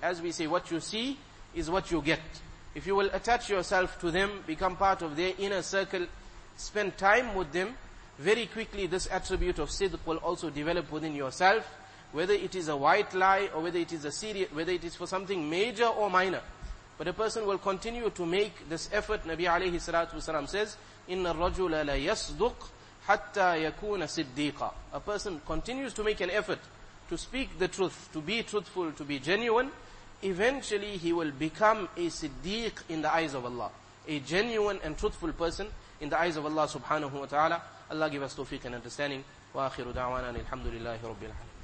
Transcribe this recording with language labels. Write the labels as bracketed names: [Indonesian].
[English] As we say, what you see is what you get. If you will attach yourself to them, become part of their inner circle, spend time with them, very quickly this attribute of sidq will also develop within yourself, whether it is a white lie or whether it is a serious, whether it is for something major or minor. But a person will continue to make this effort. Nabi alayhi salatu wasalam says, [Arabic] إن الرجل لا يصدق حتى يكون صديقا. [English] A person continues to make an effort to speak the truth, to be truthful, to be genuine. Eventually he will become a siddiq in the eyes of Allah, a genuine and truthful person in the eyes of Allah subhanahu wa ta'ala. Allah give us tawfiq and understanding. [Arabic] وآخر دعوانا الحمد لله رب العالمين.